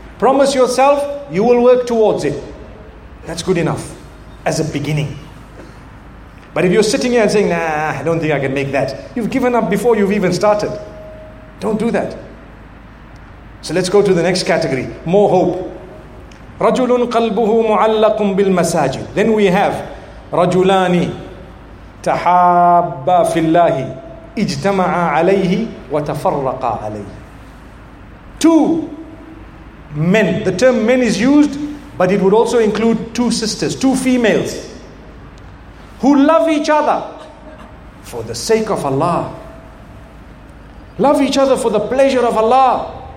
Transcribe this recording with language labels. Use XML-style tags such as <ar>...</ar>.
<en>Promise yourself you will work towards it. That's good enough. As a beginning. But if you're sitting here and saying, nah, I don't think I can make that, you've given up before you've even started. Don't do that. So let's go to the next category. More hope.</en> <ar>رَجُلٌ قَلْبُهُ مُعَلَّقٌ بِالْمَسَاجِ.</ar> <en>Then we have</en> <ar>رَجُلَانِ تَحَابَّ فِي اللَّهِ اِجْتَمَعَ عَلَيْهِ وَتَفَرَّقَ عَلَيْهِ.</ar> <en>Two men. The term men is used, but it would also include two sisters, two females, who love each other for the sake of Allah. Love each other for the pleasure of Allah.</en>